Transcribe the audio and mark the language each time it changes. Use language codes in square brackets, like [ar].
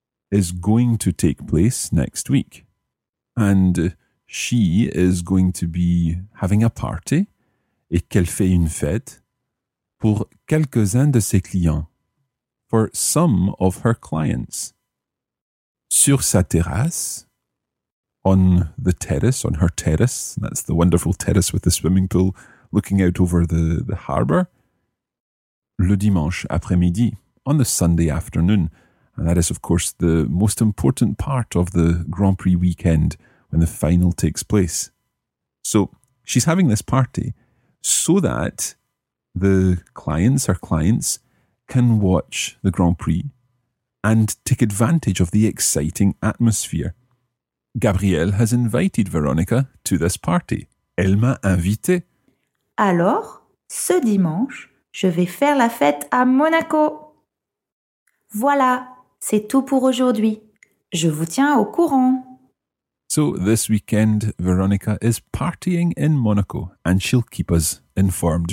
[en] Is going to take place next week. And she is going to be having a party [fr] et qu'elle fait une fête pour quelques-uns de ses clients, [en] for some of her clients. [fr] Sur sa terrasse, [en] on the terrace, on her terrace, that's the wonderful terrace with the swimming pool looking out over the harbour, [fr] le dimanche après-midi, [en] on the Sunday afternoon. And that is, of course, the most important part of the Grand Prix weekend, when the final takes place. So, she's having this party so that the clients, her clients, can watch the Grand Prix and take advantage of the exciting atmosphere. Gabrielle has invited Veronica to this party. [fr] Elle m'a invité. Alors, ce dimanche, je vais faire la fête à Monaco. Voilà, c'est tout pour aujourd'hui. Je vous tiens au courant. [en] So this weekend, Veronica is partying in Monaco and she'll keep us informed.